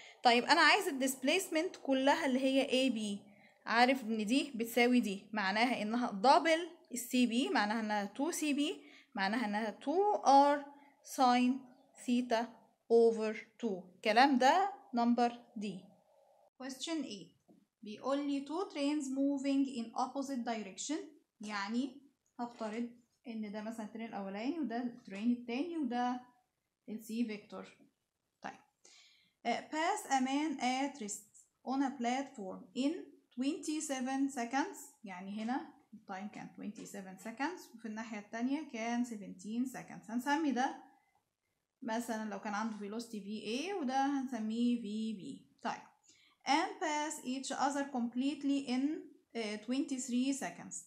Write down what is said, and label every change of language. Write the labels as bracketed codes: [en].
[ar] طيب انا عايز الديسبيسمنت كلها اللي هي اي بي، عارف ان دي بتساوي دي، معناها انها دبل السي بي، معناها انها 2 سي بي، معناها انها 2 ار ساين ثيتا اوفر 2. الكلام ده نمبر دي. question a بيقول لي [en] two trains moving in opposite direction، [ar] يعني هفترض ان ده مثلا الترين الاولاني وده الترين التاني وده ال c vector. [en] طيب pass a man at rest on a platform in 27 seconds، [ar] يعني هنا time كان 27 seconds وفي الناحية التانية كان 17 seconds. هنسمي ده مثلا لو كان عنده velocity va وده هنسميه vb. [en] طيب and pass each other completely in 23 seconds.